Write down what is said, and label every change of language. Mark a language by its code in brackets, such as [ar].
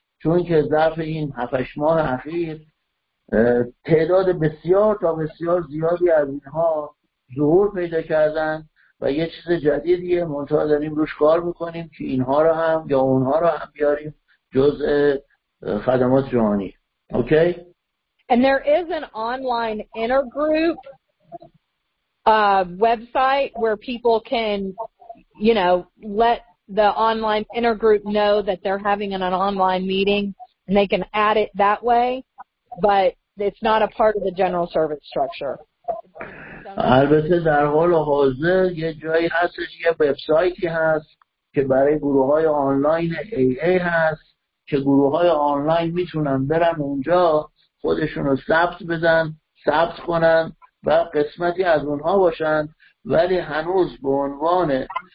[fa] چون که ظرف این 7-8 ماه اخیر تعداد بسیار تا بسیار زیادی از اینها ظهور پیدا کردن و یه چیز جدیدیه، منتظر داریم روش کار بکنیم که اینها رو هم یا اونها رو هم بیاریم جزء خدمات جهانی. اوکی. [en] And there is an online intergroup website where people can, you know, let the online intergroup know that they're having an online meeting, and they can add it that way, but it's not a part of the general service structure. [fa] البته در حال حاضر یه جایی هست، یه وبسایتی هست که برای گروه‌های آنلاین AA هست که گروه‌های آنلاین میتونن برن اونجا خودشون رو ثبت بدن، ثبت کنن و قسمتی از اونها باشن، ولی هنوز به عنوان